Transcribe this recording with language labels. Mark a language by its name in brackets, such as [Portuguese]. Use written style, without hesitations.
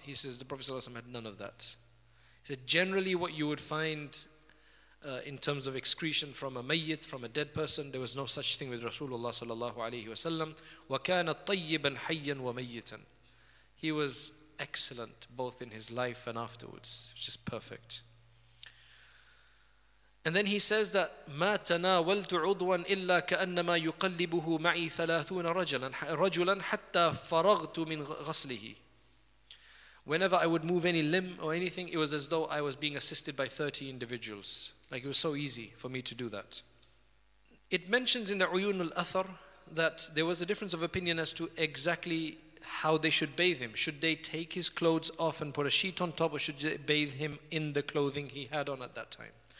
[English] He says the Prophet ﷺ had none of that. He said generally what you would find in terms of excretion from a mayyit, from a dead person, there was no such thing with Rasulullah sallallahu alayhi wa sallam. [Arabic] وَكَانَ طَيِّبًا حَيًّا وَمَيِّتًا. [English] He was excellent both in his life and afterwards. It's just perfect. And then he says that [Arabic] مَا تَنَاوَلْتُ عُضْوًا إِلَّا كَأَنَّمَا يُقَلِّبُهُ مَعِي ثَلَاثُونَ رَجُلًا حَتَّى فَرَغْتُ مِنْ غَسْلِهِ. [English] Whenever I would move any limb or anything, it was as though I was being assisted by 30 individuals. Like it was so easy for me to do that. It mentions in the Uyun al-Athar that there was a difference of opinion as to exactly how they should bathe him. Should they take his clothes off and put a sheet on top, or should they bathe him in the clothing he had on at that time?